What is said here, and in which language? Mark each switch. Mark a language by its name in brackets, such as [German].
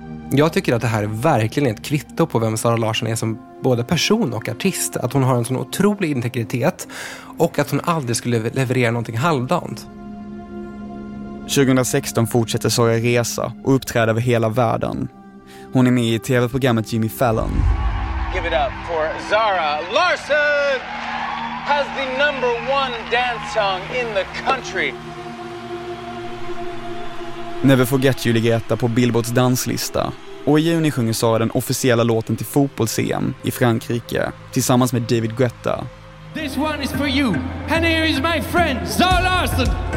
[Swedish] Jag tycker att det här är verkligen ett kvitto på vem Sara Larsson är som både person och artist. Att hon har en sån otrolig integritet och att hon aldrig skulle leverera någonting halvdant. 2016 fortsätter Sara resa och uppträda över hela världen. Hon är med i tv-programmet Jimmy Fallon. [English] Give it up for Sara Larsson! Has the number one dance song in the country. [Swedish] Never Forget You ligger etta på Billboards danslista. Och i juni sjunger Sara den officiella låten till fotbolls-EM i Frankrike tillsammans med David Guetta. [English] This one is for you. And here is my friend Sara Larsson.